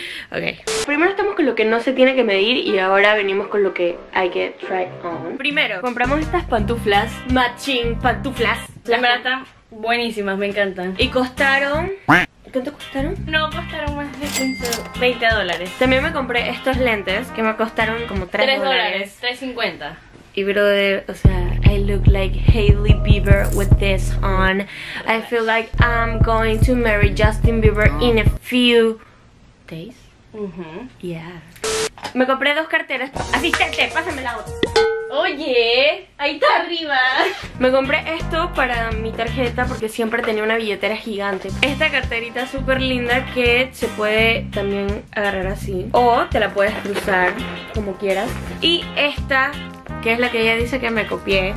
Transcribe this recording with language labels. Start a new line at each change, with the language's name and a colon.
Spanish: Ok, primero estamos con lo que no se tiene que medir y ahora venimos con lo que hay que
English: try on.
Spanish: Primero, compramos estas pantuflas. Matching pantuflas. Las están buenísimas, me encantan. Y costaron... ¿Cuánto costaron? No, costaron más de 15, 20 dólares. También me compré estos lentes que me costaron como 3 dólares. 3.50.
English: Y brother,
Spanish: o sea,
English: I look like Hailey Bieber with this on. I feel like I'm going to marry Justin Bieber in a few days. Uh-huh. Yeah.
Spanish: Me compré dos carteras. Asistente, pásame la otra. Oye, ahí está arriba. Me compré esto para mi tarjeta porque siempre tenía una billetera gigante. Esta carterita súper linda que se puede también agarrar así. O te la puedes cruzar como quieras. Y esta, que es la que ella dice que me copié.